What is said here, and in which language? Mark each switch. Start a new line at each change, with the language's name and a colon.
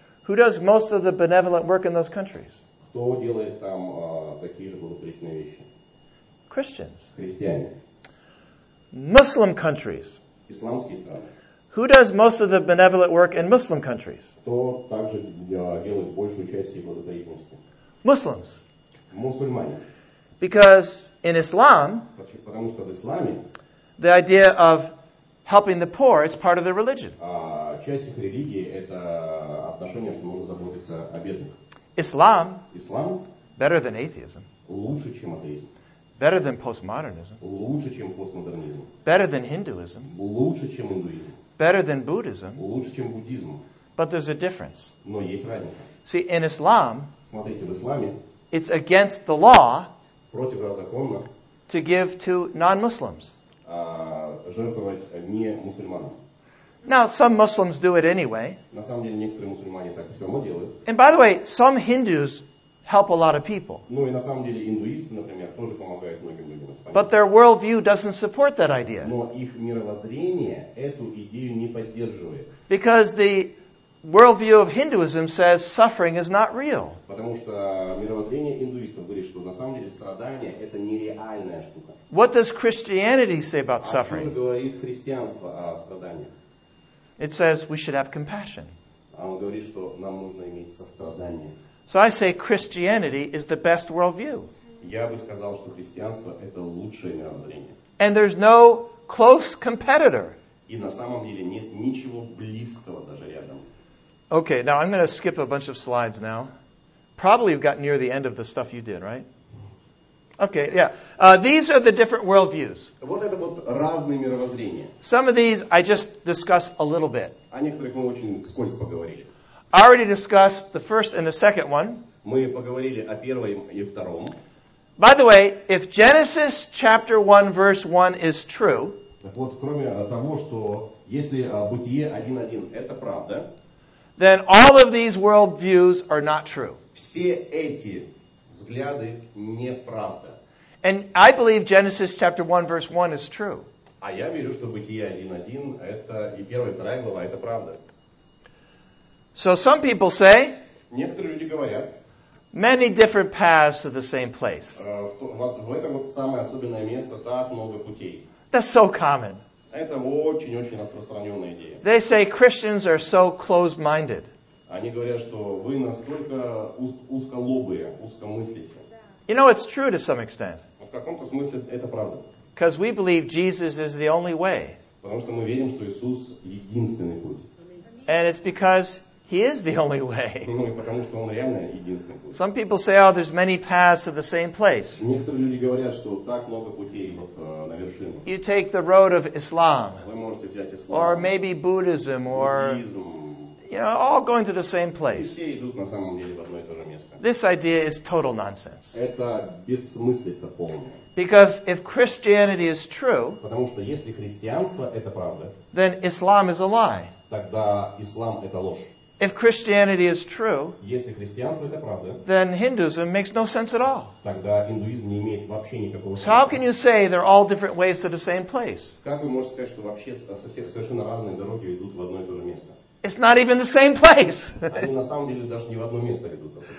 English: Who does most of the benevolent work in those countries?
Russian: Кто делает там такие же благотворительные вещи?
English: Christians.
Russian: Христиане.
English: Muslim countries.
Russian: Исламские страны.
English: Who does most of the benevolent work in Muslim countries?
Russian: Кто также делает большую часть всей благотворительности?
English: Muslims.
Russian: Мусульмане.
English: Because in Islam,
Russian: потому что в исламе,
English: the idea of helping the poor is part of their religion.
Russian: Часть их религии это отношение, что нужно заботиться о бедных.
English: Islam.
Russian: Ислам.
English: Better than atheism.
Russian: Лучше, чем атеизм.
English: Better than postmodernism.
Russian: Лучше, чем постмодернизм.
English: Better than Hinduism.
Russian: Лучше, чем индуизм.
English: Better than Buddhism.
Russian: Лучше, чем буддизм.
English: But there's a difference.
Russian: Но есть разница.
English: See, in Islam,
Russian: смотрите, в исламе,
English: it's against the law
Russian: противозаконно
English: to give to non-Muslims.
Russian: Жертвовать не мусульманам.
English: Now, some Muslims do it anyway.
Russian: На самом деле, некоторые мусульмане так все равно делают.
English: And by the way, some Hindus help a lot of people.
Russian: Ну и на самом деле индуисты, например, тоже помогают многим людям.
English: But their worldview doesn't support that idea.
Russian: Но их мировоззрение эту идею не поддерживает.
English: Because the worldview of Hinduism says suffering is not real.
Russian: Потому что мировоззрение индуистов говорит, что на самом деле страдание это нереальная штука.
English: What does Christianity say about suffering?
Russian: А что же говорит христианство о страданиях?
English: It says we should have compassion.
Russian: Он говорит, что нам нужно иметь сострадание.
English: So I say Christianity is the best worldview.
Russian: Я бы сказал, что христианство это лучшее мировоззрение.
English: And there's no close competitor.
Russian: И на самом деле нет ничего близкого даже рядом.
English: Okay, now I'm going to skip a bunch of slides now. Probably you've gotten near the end of the stuff you did, right? Okay, yeah. These are the different worldviews.
Russian: Вот это вот разные мировоззрения.
English: Some of these I just discussed a little bit.
Russian: О некоторых мы очень скользко поговорили.
English: I already discussed the first and the second one.
Russian: Мы поговорили о первом и втором.
English: By the way, if Genesis chapter 1 verse 1 is true,
Russian: так вот, кроме того, что если Бытие 1:1 это правда,
English: then all of these worldviews are not true.
Russian: Все эти взгляды не правда.
English: And I believe Genesis chapter 1 verse 1 is true.
Russian: А я верю, что Бытие 1:1 это и первая и вторая глава это правда.
English: So some people say,
Russian: некоторые люди говорят,
English: many different paths to the same place.
Russian: В это вот самое особенное место, так много путей.
English: That's so common.
Russian: Это очень-очень распространенная идея.
English: They say Christians are so closed-minded.
Russian: Они говорят, что вы настолько узколобые, узкомыслящие.
English: You know, it's true to some extent.
Russian: В каком-то смысле это правда.
English: Because we believe Jesus is the only way.
Russian: Потому что мы верим, что Иисус единственный путь.
English: And it's because He is the only way.
Russian: Ну, потому что он реально единственный путь.
English: Some people say, oh, there's many paths to the same place.
Russian: Некоторые люди говорят, что так много путей вот на вершину.
English: You take the road of Islam.
Russian: Вы можете взять ислам.
English: Or maybe Buddhism, or
Russian: буддизм.
English: you know, all going to the same place.
Russian: Все идут на самом деле в одно и то же место.
English: This idea is total nonsense.
Russian: Это бессмыслица полная.
English: Because if Christianity is true,
Russian: потому что если христианство это правда,
English: then Islam is a lie.
Russian: Тогда ислам это ложь.
English: If Christianity is true,
Russian: если христианство это правда,
English: then Hinduism makes no sense at all.
Russian: Тогда индуизм не имеет вообще никакого смысла.
English: So how can you say they're all different ways to the same place?
Russian: Как вы можете сказать, что вообще со всех совершенно разные дороги ведут в одно и то же место?
English: It's not even the same place.
Russian: Они на самом деле даже не в одно место ведут.